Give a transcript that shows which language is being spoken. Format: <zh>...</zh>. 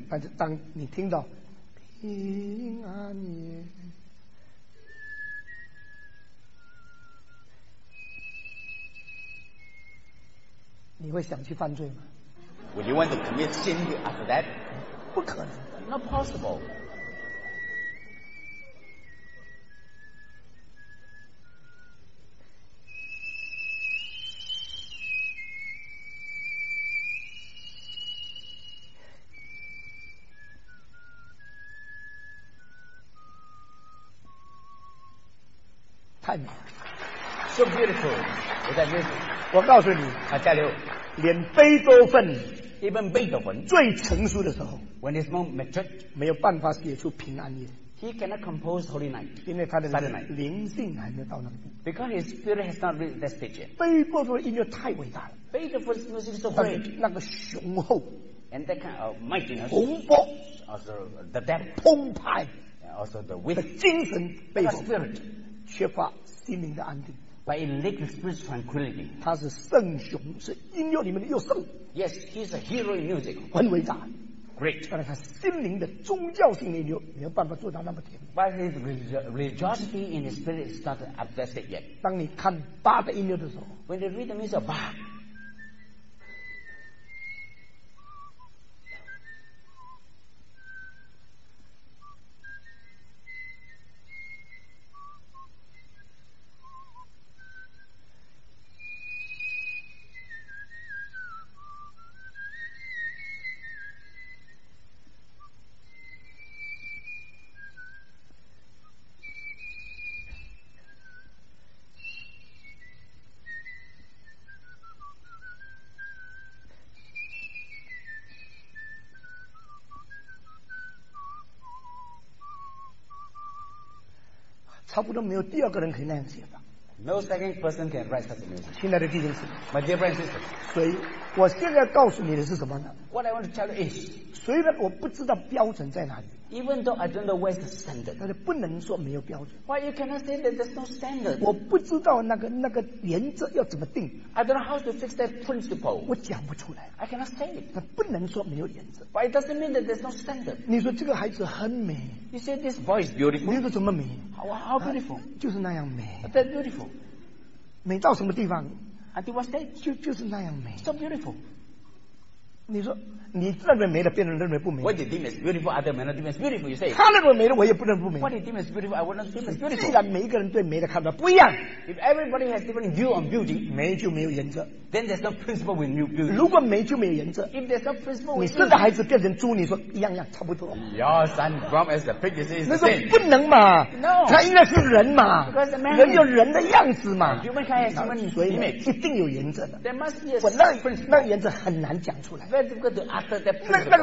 <zh>但是当你听到平安夜你会想去犯罪吗</zh> <en>Would you want to commit sin after that?</en> <zh>不可能</zh> <en>Not possible</en> <zh>太美</zh> <en>so beautiful with that music</en> <zh>我告诉你啊加油连贝多芬</zh> <en>even Beethoven</en> <zh>最成熟的时候</zh> <en>when his mom matured</en> <zh>没有办法写出平安夜</zh> <en>he cannot compose Holy Night</en> <zh>因为他的灵性还没有到那边</zh> <en>because his spirit has not reached that stage yet</en> <zh>贝多芬的音乐太伟大了</zh> <en>Beethoven's music is so great</en> <zh>那个雄厚</zh> <en>and that kind of mightiness</en> <zh>宏博</zh> <en>also the depth</en> <zh>澎湃</zh> <en>also the width</en> <zh>精神贝多芬缺乏心灵的安定</zh> <en>by a lack of spiritual tranquility</en> <zh>他是圣雄是音乐里面的又圣</zh> <en>yes he's a hero in music</en> <zh>很伟大</zh> <en>great</en> <zh>但是他心灵的宗教性的音乐没有办法做到那么甜</zh> <en>but his religiosity in his spirit is not obsessed yet</en> <zh>当你看巴的音乐的时候</zh> <en>when you read the music of Bach</en> <zh>差不多没有第二个人可以那样写的。</zh> <en>No second person can write such a music.</en> <zh>亲爱的弟兄姊</zh> <en>妹 ，My dear brothers and sisters.</en> <zh>所以，我现在告诉你的是什么呢</zh> <en>？What I want to tell you is.</en> <zh>虽然我不知道标准在哪里。</zh> <en>Even though I don't know where's the standard.</en> <zh>但是不能说没有标准。</zh> <en>Why you cannot say that there's no standard?</en> <zh>我不知道那个原则要怎么定。</zh> <en>I don't know how to fix that principle.</en> <zh>我讲不出来。</zh> <en>I cannot say it.</en> <zh>那不能说没有原则。</zh> <en>But it doesn't mean that there's no standard.</en> <zh>你说这个孩子很美。</zh> <en>You say this boy is beautiful.</en> <zh>你说怎么美？</zh> <en>How beautiful?、</en> <zh>啊、就是那样美。</zh> <en>That beautiful.</en> <zh>美到什么地方</zh> <en>？Until what stage?</en> <zh>就是那样美。</zh> <en>So beautiful.</en> <zh>你说你认为美的，别人认为不美。</zh> <en>What you deem is beautiful, other men deem is beautiful. You say.</en> <zh>他认为美的，我也不认为不美。</zh> <en>What you deem is beautiful, I wouldn't deem is beautiful.</en> <zh>既然每一个人对美的看法不一样</zh> <en>，If everybody has different view on beauty,</en> <zh>美就没有原则。</zh> <en>Then there's no principle with new beauty.</en> <zh>如果美就没有原则</zh> <en>，If there's no principle with new beauty,</en> <zh>你生的孩子变成猪，你说一样样差不多。</zh> <en>Your son grown as a pig, you say.</en> <zh>那是不能嘛</zh> <en>？No.</en> <zh>他应该是人嘛</zh> <en>？Because a man</en> <zh>人有人的样子嘛</zh> <en>？Human kind has human image.</en> <zh>所以一定有原则的。</zh> <en>There must be a principle.</en> <zh>那原则很难讲出来。 Very difficult to utter that principle.</zh>